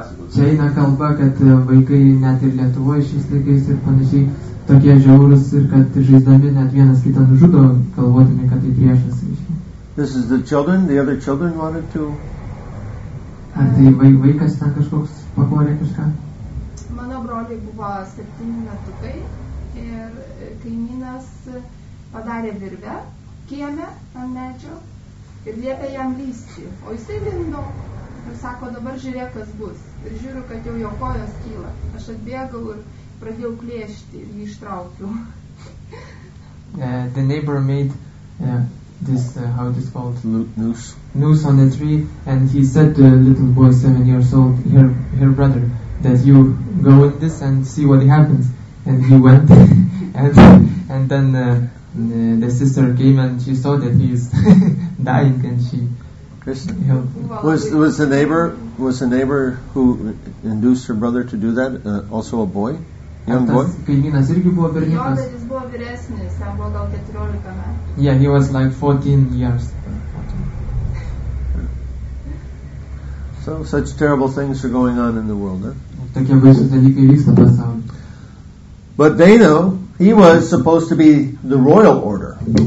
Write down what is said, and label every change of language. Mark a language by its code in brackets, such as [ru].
[lt] Čia eina kalba, kad vaikai net ir Lietuvoje šiais laikais ir panašiai tokie žiaurus ir kad žaisdami net vienas kitą nužudo, galvodami, kad tai priešas. [en] This is the children, the other children wanted to... [lt] Ar tai vaikas ten kažkoks pakorė kažką? Mano broliai buvo 7 metukai ir kaimynas padarė virvę kieme ant medžio ir liepė jam lysti, o jisai lindo. Ir sako, dabar žiūrėk, kas bus. Ir žiūriu, kad jau jo kojos kyla. Aš atbėgau ir pradėjau klėšti ir jį ištraukiu. [en] The neighbor made this, how it is called? Noose. Noose on the tree. And he said to a little boy, 7 years old, her brother, that you go with this and see what happens. And he went. and then the sister came and she saw that he is dying and she... Was the neighbor who induced her brother to do that also a boy? Young boy? [lt] Kaimynas irgi buvo berniukas. Jo, jis buvo vyresnis, jam buvo gal 14 metų. [en] Yeah, he was like 14 years. So such terrible things are going on in the world, huh? [lt] Tokie baisūs dalykai vyksta pasaulyje. [en] But Vena, he was supposed to be the royal order.